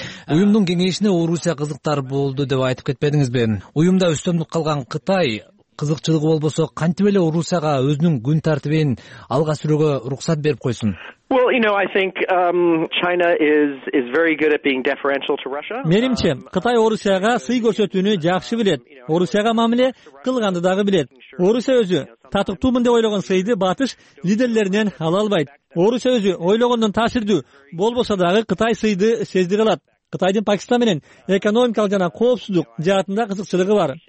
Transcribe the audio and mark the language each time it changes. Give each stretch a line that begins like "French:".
Kyrgyz: Уюмдун кеңейишине Орусия кызыктар болду деп айтып кетпедиңизби? Уюмда үстөмдүк кылган Кытай кызыкчылыгы болбосо, кантип эле Орусияга өзүнүн күн тартибин алга сүрүүгө уруксат берип койсун?
English: Well, you know, I think China is very good at being deferential to Russia.
Kyrgyz: Менимче, Кытай Орусияга сый көрсөтүүнү жакшы билет. Орусияга мамиле кылганды дагы билет. Орусия өзү татыктуумун деп ойлогон сыйды батыш лидерлеринен ала албайт. Орус өзү ойлогондон таасирдүү болбосо дагы Кытай сыйды сездире алат. Кытайдын Пакистан менен экономикалык жана коопсуздук жаатында кызыкчылыгы бар.